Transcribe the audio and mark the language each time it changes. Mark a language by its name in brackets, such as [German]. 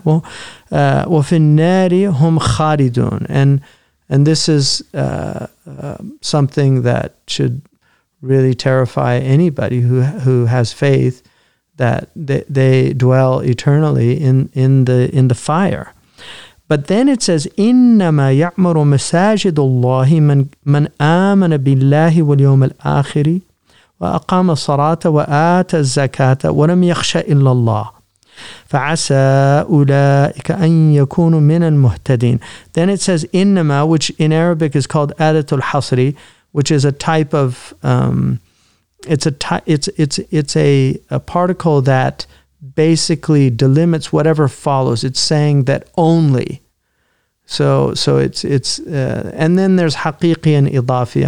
[Arabic] وَفِي النَّارِ هُمْ خَالِدُونَ. [English] And this is something that should really terrify anybody who has faith, that they dwell eternally in the fire. But then it says, [Arabic] إِنَّمَا يَعْمَرُ مَسَاجِدُ اللَّهِ مَنْ آمَنَ بِاللَّهِ وَالْيَوْمِ الْآخِرِ وَأَقَامَ الصَّلَاةَ وَآتَ الزَّكَاةَ وَلَمْ يَخْشَ إِلَّا اللَّهِ فَعَسَىٰ أُولَٰئِكَ أَن يَكُونُوا مِنَ الْمُهْتَدِينَ. [English] Then it says إِنَّمَا, which in Arabic is called Adatul Hasri, which is a type of, it's a particle that basically delimits whatever follows. It's saying that only. So it's and then there's haqiqi and idafi.